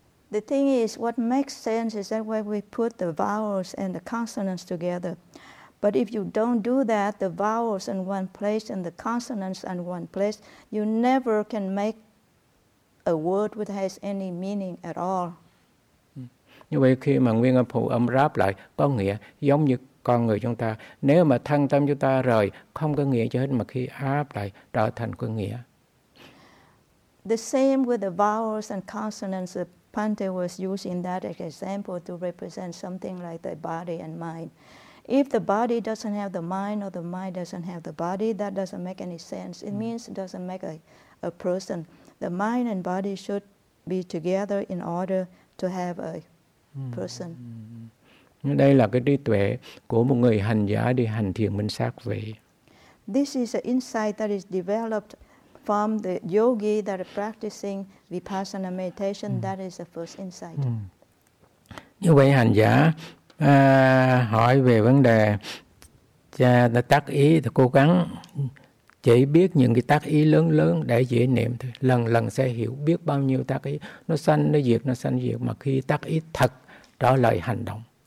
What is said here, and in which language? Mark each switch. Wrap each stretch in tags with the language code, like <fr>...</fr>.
<en>The thing is, what makes sense is that when we put the vowels and the consonants together. But if you don't do that, the vowels in one place and the consonants in one place, you never can make a word which has any meaning at all.</en> <vi>Như vậy khi mà nguyên âm phụ âm ráp lại có nghĩa, giống như con người chúng ta. Nếu mà thân tâm chúng ta rời, không có nghĩa cho hết, mà khi áp lại trở thành có nghĩa.</vi> <en>The same with the vowels and consonants. Bhante was using that as example to represent something like the body and mind. If the body doesn't have the mind or the mind doesn't have the body, that doesn't make any sense. It means it doesn't make a person. The mind and body should be together in order to have a person.</en> <vi>Đây là cái trí tuệ của một người hành giả đi hành thiền minh sát về.</vi> <en>This is an insight that is developed from the yogi that is practicing vipassana meditation. That is the first insight.</en> <vi>Như vậy hành giả hỏi về vấn đề cha đã tác ý, thì cố gắng chỉ biết những cái tác ý lớn lớn để dễ niệm thôi. Lần lần sẽ hiểu biết bao nhiêu tác ý, nó sanh nó diệt, nó sanh diệt, mà khi tác ý thật trở lại hành động.</vi>